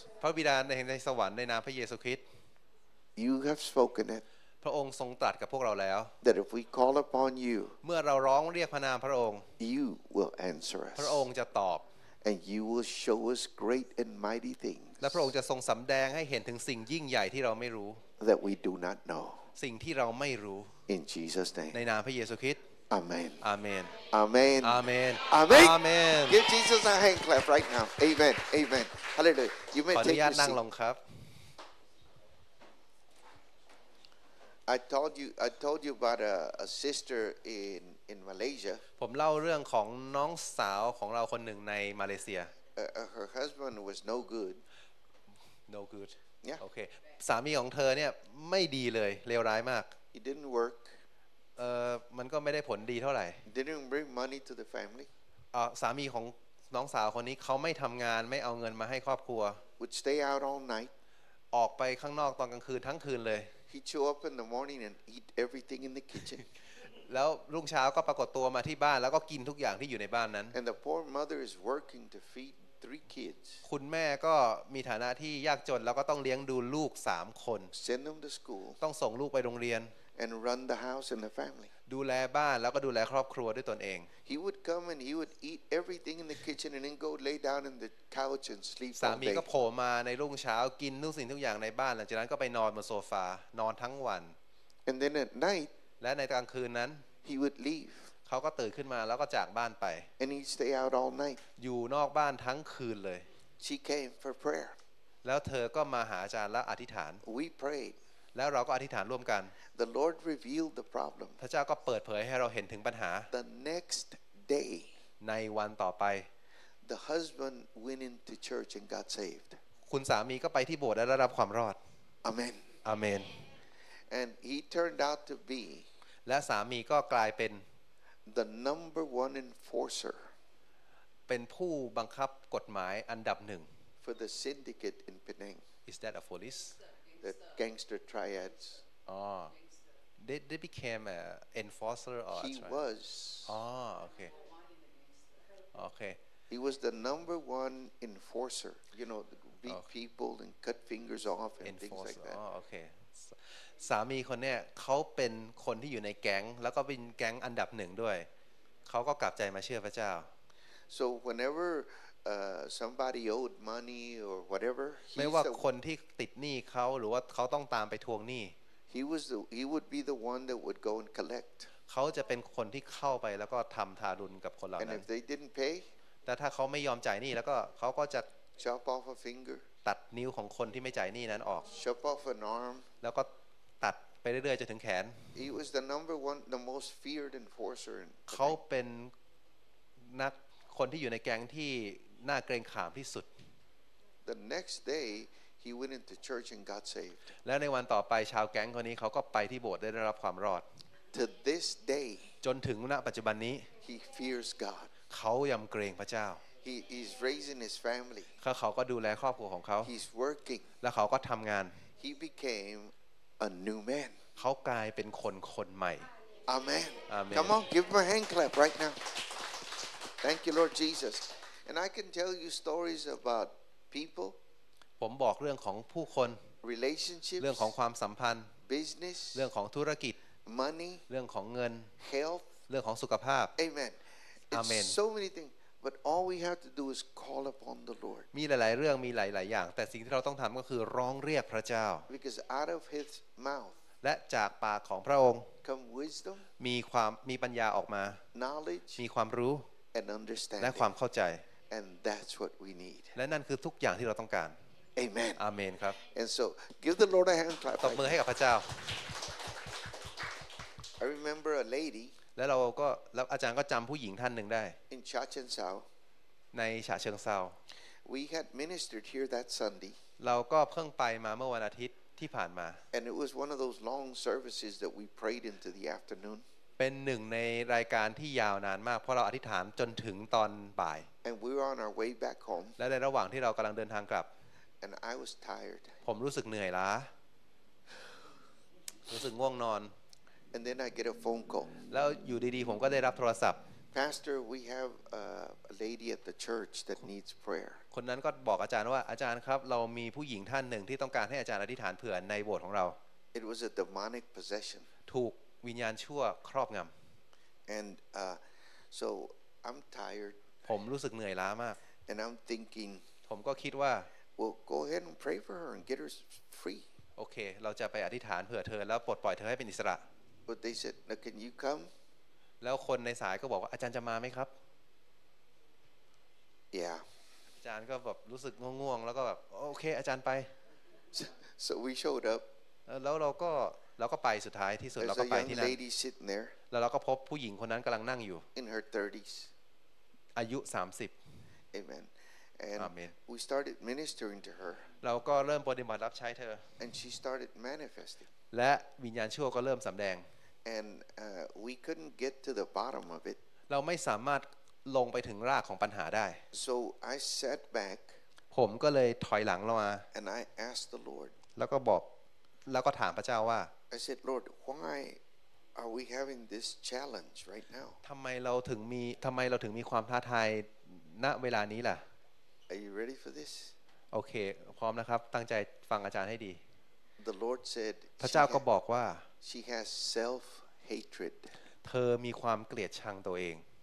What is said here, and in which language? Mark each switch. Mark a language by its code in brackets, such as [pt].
[th] พระบิดาในสวรรค์ในนามพระเยซูคริสต์ [en] You have spoken it. [th] พระองค์ทรงตรัสกับพวกเราแล้ว [en] That if we call upon you, [th] เมื่อเราร้องเรียกพระนามพระองค์ [en] You will answer us. [th] พระองค์จะตอบ [en] And you will show us great and mighty things. [th] และพระองค์จะทรงสำแดงให้เห็นถึงสิ่งยิ่งใหญ่ที่เราไม่รู้ [en] That we do not know. [th] สิ่งที่เราไม่รู้ [en] In Jesus' name. [th] ในนามพระเยซูคริสต์ [en] Amen. Amen. Amen. Amen. Amen. Amen. Give Jesus a hand clap right now. Amen. Amen. Hallelujah. You may take your seat. I told you about a sister in Malaysia. [th] ผมเล่าเรื่องของน้องสาวของเราคนหนึ่งในมาเลเซีย [en] Her husband was no good. No good. Yeah. Okay. [th] สามีของเธอเนี่ยไม่ดีเลยเลวร้ายมาก [en] It didn't work. [th] มันก็ไม่ได้ผลดีเท่าไหร่ [en] Didn't bring money to the family. [th] สามีของน้องสาวคนนี้เขาไม่ทำงานไม่เอาเงินมาให้ครอบครัว [en] Would stay out all night. [th] ออกไปข้างนอกตอนกลางคืนทั้งคืนเลย [en] He show up in the morning and eat everything in the kitchen. [th] แล้วรุ่งเช้าก็ปรากฏตัวมาที่บ้านแล้วก็กินทุกอย่างที่อยู่ในบ้านนั้น [en] And the poor mother is working to feed three kids. [th] คุณแม่ก็มีฐานะที่ยากจนแล้วก็ต้องเลี้ยงดูลูก3คน [en] Send them to school. [th] ต้องส่งลูกไปโรงเรียน [en] And run the house and the family. [th] ดูแลบ้านแล้วก็ดูแลครอบครัวด้วยตนเอง [en] He would come and he would eat everything in the kitchen and then go lay down in the couch and sleep. [th] สามีก็โผล่มาในรุ่งเช้ากินทุกสิ่งทุกอย่างในบ้านหลังจากนั้นก็ไปนอนบนโซฟานอนทั้งวัน [en] And then at night. [th] และในกลางคืนนั้น [en] He would leave. [th] เขาก็ตื่นขึ้นมาแล้วก็จากบ้านไป [en] And he'd stay out all night. [th] อยู่นอกบ้านทั้งคืนเลย [en] She came for prayer. [th] แล้วเธอก็มาหาอาจารย์และอธิษฐาน [en] We prayed. [th] แล้วเราก็อธิษฐานร่วมกัน [en] The Lord revealed the problem [th] พระเจ้าก็เปิดเผยให้เราเห็นถึงปัญหา [en] The next day [th] ในวันต่อไป [en] the husband went into church and got saved [th] คุณสามีก็ไปที่โบสถ์และรับความรอด [en] amen amen and he turned out to be [th] และสามีก็กลายเป็น [en] the number one enforcer [th] เป็นผู้บังคับกฎหมายอันดับหนึ่ง [en] for the syndicate in Penang is that a police the gangster triads ohThey became an enforcer or he a trial? He was. Oh, okay. Okay. He was the number one enforcer. You know, beat okay. people and cut fingers off and enforcer. Things like that. Oh, okay. [th] สามีคนเนี่ยเขาเป็นคนที่อยู่ในแก๊งแล้วก็เป็นแก๊งอันดับหนึ่งด้วยเขาก็กลับใจมาเชื่อพระเจ้า [en] So whenever somebody owed money or whatever, [th] ไม่ว่าคนที่ติดหนี้เขาหรือว่าเขาต้องตามไปทวงหนี้ [en] He would be the one that would go and collect. [th] เขาจะเป็นคนที่เข้าไปแล้วก็ทำทารุณกับคนเหล่านั้น [en] And if they didn't pay, [th] แต่ถ้าเขาไม่ยอมจ่ายหนี้แล้วก็เขาก็จะ [en] chop off a finger, [th] ตัดนิ้วของคนที่ไม่จ่ายหนี้นั้นออก [en] chop off an arm, [th] แล้วก็ตัดไปเรื่อยๆจนถึงแขน [en] He was the number one, the most feared enforcer. [th] เขาเป็นนักคนที่อยู่ในแก๊งที่น่าเกรงขามที่สุด [en] The next day. He went into church and got saved. [th] และในวันต่อไปชาวแก๊งคนนี้เขาก็ไปที่โบสถ์ได้รับความรอด [en] To this day, [th] จนถึงณปัจจุบันนี้ [en] He fears God. [th] เขายำเกรงพระเจ้า [en] He is raising his family. [th] เขาก็ดูแลครอบครัวของเขา [en] He's working. [th] และเขาก็ทำงาน [en] He became a new man. [th] เขากลายเป็นคนใหม่ [en] Amen. Amen. Come on, give him a hand clap right now. Thank you, Lord Jesus. And I can tell you stories about people. [th] ผมบอกเรื่องของผู้คน [en] relationships [th] เรื่องของความสัมพันธ์ [en] business [th] เรื่องของธุรกิจ [en] money [th] เรื่องของเงิน [en] health [th] เรื่องของสุขภาพ [en] amen amen so many things but all we have to do is call upon the lord [th] มีหลายๆเรื่องมีหลายๆอย่างแต่สิ่งที่เราต้องทำก็คือร้องเรียกพระเจ้า [en] because out of his mouth [th] และจากปากของพระองค์ [en] come wisdom [th] มีปัญญาออกมา [en] knowledge [th] มีความรู้ [en] and understanding [th] และความเข้าใจ [en] and that's what we need [th] และนั่นคือทุกอย่างที่เราต้องการ [en] Amen. Amen. ครับ And so, give the Lord a hand clap. [th] ตบมือให้กับพระเจ้า [en] I remember a lady. [th] แล้วเราก็แล้วอาจารย์ก็จำผู้หญิงท่านหนึ่งได้ [en] In Cha Chen Sao. [th] ในฉะเชิงเทรา [en] We had ministered here that Sunday. [th] เราก็เพิ่งไปมาเมื่อวันอาทิตย์ที่ผ่านมา [en] And it was one of those long services that we prayed into the afternoon. [th] เป็นหนึ่งในรายการที่ยาวนานมากเพราะเราอธิษฐานจนถึงตอนบ่าย [en] And we were on our way back home. [th] และในระหว่างที่เรากำลังเดินทางกลับ [en] And I was tired. [th] ผมรู้สึกเหนื่อยล้า รู้สึกง่วงนอน [en] And then I get a phone call. [th] แล้วอยู่ดีๆผมก็ได้รับโทรศัพท์ [en] Pastor, we have a lady at the church that needs prayer. [th] คนนั้นก็บอกอาจารย์ว่าอาจารย์ครับเรามีผู้หญิงท่านหนึ่งที่ต้องการให้อาจารย์อธิษฐานเผื่อในโบสถ์ของเรา [en] It was a demonic possession. [th] ถูกวิญญาณชั่วครอบงำ [en] And so I'm tired. [th] ผมรู้สึกเหนื่อยล้ามาก [en] And I'm thinking. [th] ผมก็คิดว่า [en] We'll go ahead and pray for her and get her free. [th] Okay, เราจะไปอธิษฐานเผื่อเธอแล้วปลดปล่อยเธอให้เป็นอิสระ [en] But they said, "Now can you come?" [th] แล้วคนในสายก็บอกว่าอาจารย์จะมาไหมครับ [en] Yeah. [th] อาจารย์ก็แบบรู้สึกง่วงๆแล้วก็แบบโอเคอาจารย์ไป [en] So we showed up. [th] แล้วเราก็ไปสุดท้ายที่สุดเราก็ไปที่นั่ น [en] There's a young lady sitting there. [th] แล้วเราก็พบผู้หญิงคนนั้นกำลังนั่งอยู่ [en] In her 30s. [th] อายุ 30. [en] Amen. And we started ministering to her. [th] เราก็เริ่มปฏิบัติรับใช้เธอ [en] And she started manifesting. [th] และวิญญาณชั่วก็เริ่มสำแดง [en] And we couldn't get to the bottom of it. [th] เราไม่สามารถลงไปถึงรากของปัญหาได้ [en] So I sat back. [th] ผมก็เลยถอยหลังลงมา [en] And I asked the Lord. [th] แล้วก็ถามพระเจ้าว่า [en] I said, Lord, why are we having this challenge right now? [th] ทำไมเราถึงมีความท้าทายณเวลานี้ล่ะ [en] Are you ready for this? [th] Okay, พร้อมนะครับตั้งใจฟังอาจารย์ให้ดี [en] The Lord said [th] พระเจ้าก็บอกว่า [en] She has self hatred. [th] เธอมีความเกลียดชังตัวเอง